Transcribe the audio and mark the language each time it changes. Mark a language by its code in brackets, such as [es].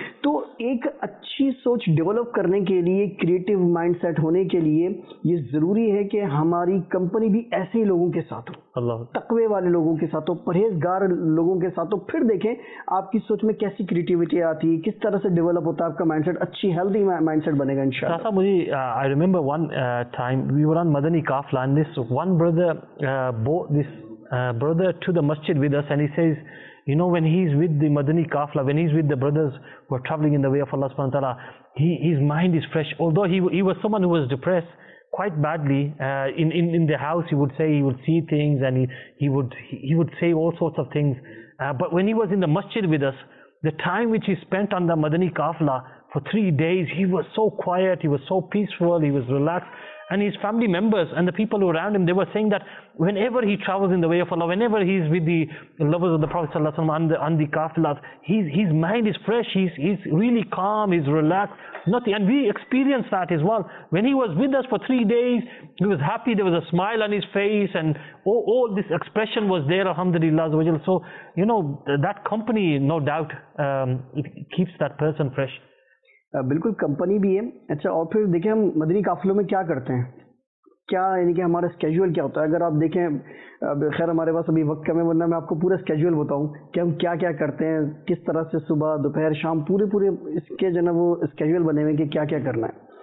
[ur] تو ایک اچھی سوچ ڈیولپ کرنے کے لیے, کریٹو مائنڈ سیٹ ہونے کے لیے, یہ ضروری ہے کہ ہماری کمپنی بھی ایسے ہی لوگوں کے ساتھ ہو, تقوی والے لوگوں کے ساتھ ہو, پرہیزگار لوگوں کے ساتھ ہو, پھر دیکھیں آپ کی سوچ میں کیسی کریٹیوٹی آتی ہے, کس طرح سے ڈیولپ ہوتا ہے آپ کا مائنڈ سیٹ, اچھی healthy mindset banega Sasa mujhe [en] I remember one time we were on Madani Kafla and this one brother brought this brother to the masjid with us, and he says, you know, when he's with the Madani Kafla, when he's with the brothers who are traveling in the way of Allah subhanahu wa ta'ala, his mind is fresh. Although he was someone who was depressed quite badly, in the house he would say, he would see things and he would say all sorts of things, but when he was in the masjid with us, the time which he spent on the Madani Kafla for 3 days, he was so quiet, he was so peaceful, he was relaxed, and his family members and the people around him, they were saying that whenever he travels in the way of Allah, whenever he is with the lovers of the Prophet sallallahu alaihi wasallam on the kafilas, his mind is fresh, he's really calm, he's relaxed, nothing. And we experienced that as well when he was with us for 3 days. He was happy, there was a smile on his face, and all this expression was there, alhamdulillah. So you know, that company no doubt it keeps that person fresh. [ur] بالکل company بھی ہے. اچھا اور پھر دیکھیں ہم مدنی قافلوں میں کیا کرتے ہیں, کیا یعنی کہ ہمارا اسکیجول کیا ہوتا ہے. اگر آپ دیکھیں, خیر ہمارے پاس ابھی وقت کم ہے, ورنہ میں آپ کو پورا اسکیجول بتاؤں کہ ہم کیا کیا کرتے ہیں, کس طرح سے صبح دوپہر شام پورے پورے اس کے جو ہے نا وہ اسکیجول بنے ہوئے کہ کیا کیا کرنا ہے.